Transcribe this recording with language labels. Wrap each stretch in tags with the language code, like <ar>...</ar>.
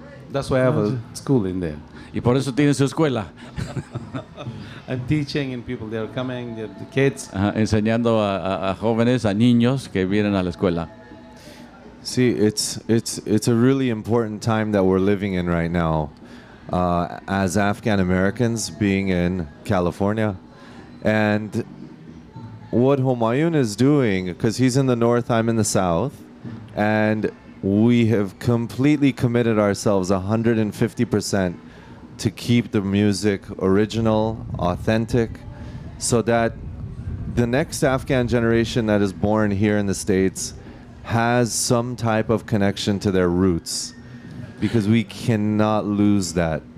<en>That's why I have a school in there.</en> <es>Y por eso tiene su escuela.</es> <en>I'm teaching and people, they are coming, they are the kids.</en> <es>Enseñando a jóvenes, a niños que vienen a la escuela.</es> <en>See, it's a really important time that we're living in right now as Afghan Americans being in California. And what Humayun is doing, because he's in the north, I'm in the south, and we have completely committed ourselves 150% to keep the music original, authentic, so that the next Afghan generation that is born here in the States has some type of connection to their roots, because we cannot lose that.</en>